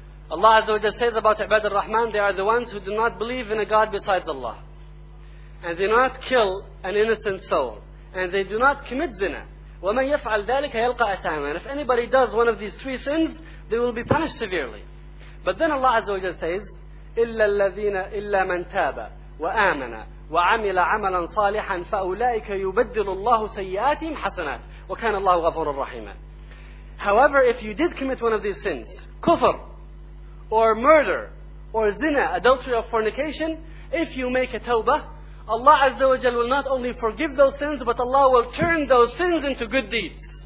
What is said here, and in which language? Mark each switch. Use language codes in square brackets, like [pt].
[en] Allah Azza wa Jal says about Ibad al-Rahman, they are the ones who do not believe in a God besides Allah, and they do not kill an innocent soul, and they do not commit zina. [ar] وَمَنْ يَفْعَلْ ذَلِكَ يَلْقَ أَثَامًا. [en] If anybody does one of these three sins, they will be punished severely. But then Allah Azza wa Jal says, [ar] إِلَّا الَّذِينَ إِلَّا مَنْ تَابَ وَآمَنَ وَعَمِلَ عَمَلًا صَالِحًا فَأُولَٰئِكَ يُبَدِّلُ اللَّهُ سَيِّئَاتِهِمْ حَسَنَاتٍ وَكَانَ اللَّهُ غَفُورًا رَحِيمًا. [en] However, if you did commit one of these sins, kufr, or murder, or zina, adultery or fornication, if you make a tawbah, Allah Azza wa Jal will not only forgive those sins, but Allah will turn those sins into good deeds.